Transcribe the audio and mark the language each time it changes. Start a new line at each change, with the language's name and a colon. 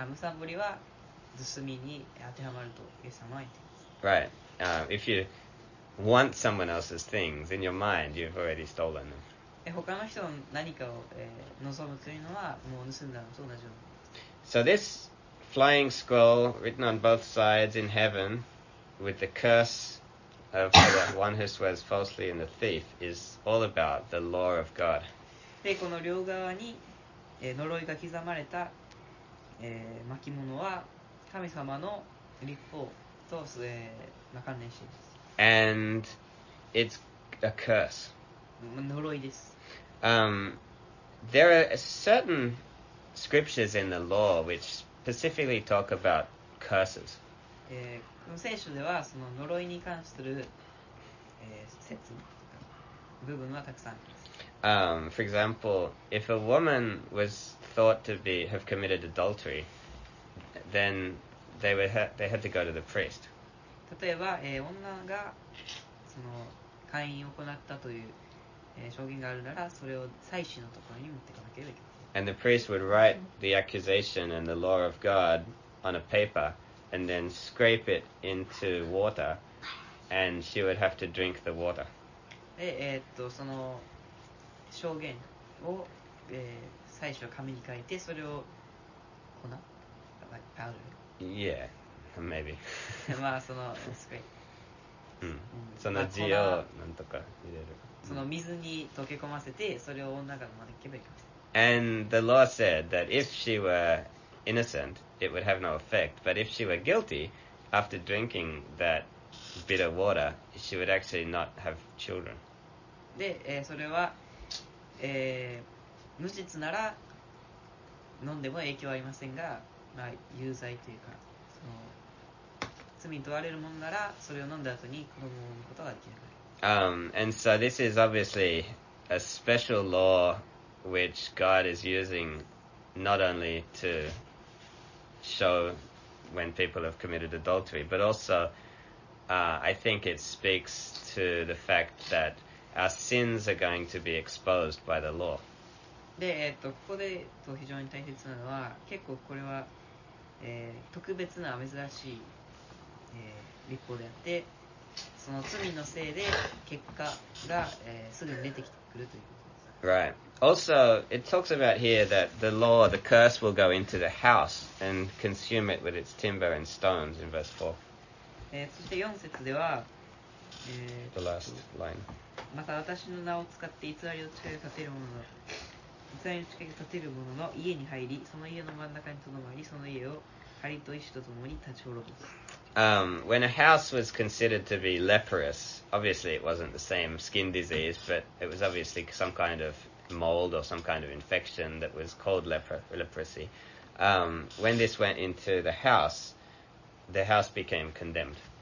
Japanese: むさぼりは盗みに当てはまるとイエス様は言っています。
English: Right. If you want someone else's things in your mind, you've already stolen them.
Japanese: 他の人の何かを、望むというのはもう盗んだのと同じように。
English: So this flying scroll written on both sides in heaven with the curse of the one who swears falsely and the thief is all about the law of God.
Japanese: で、この両側に、呪いが刻まれた、巻物は神様の律法と、関連しています。
English: And it's a curse.
Japanese: 呪いです。
English: There are certain scriptures in the law which specifically talk about curses.
Japanese: この聖書ではその呪いに関する、説部分はたくさんあります。
English: For example, if a woman was thought to be have committed adultery, then they would they had to go to the priest.
Japanese: 例えば、女がその姦淫を行ったという、証言があるなら、それを祭司のところに持っていかなければいけない。
English: And the priest would write the accusation and the law of God on a paper, and then scrape it into water, and she would have to drink the water.
Japanese: で、その証言を、最初紙に書いてそれを粉パウダ
English: ー Yeah, maybe.
Japanese: まあそのすごい、うん、その字をなんとか入れる、その水に溶け込ませてそれを女が飲まなければいけません。
English: And the law said that if she were innocent it would have no effect, but if she were guilty after drinking that bitter water she would actually not have children.
Japanese: で、それは無実なら飲んでも影響はありませんが、まあ、有罪というかその罪に問われるものならそれを飲んだ後に子供を産むことができない。
English: And so this is obviously a special law which God is using not only to show when people have committed adultery, but also I think it speaks to the fact thatOur sins are going to be exposed by the law.
Japanese: で、ここで非常に大切なのは、結構これは、特別な珍しい、律法であって、その罪のせいで結果が、すぐに出てきてくるということです。
English: Right. Also, it talks about here that the law, the curse will go into the house and consume it with its timber and stones in verse 4.
Japanese: そして4節では、
English: The last line.
Japanese: また私の名を使って偽りの誓いを立てる者の偽りの誓いを立てる者の家に入り、その家の真ん中にとどまり、その家を梁と石とともに立ち滅ぼす。
English: When a house was considered to be leprous, obviously it wasn't the same skin disease, but it was obviously some kind of mold or some kind of infection that was called leprosy. When this went into the house became condemned.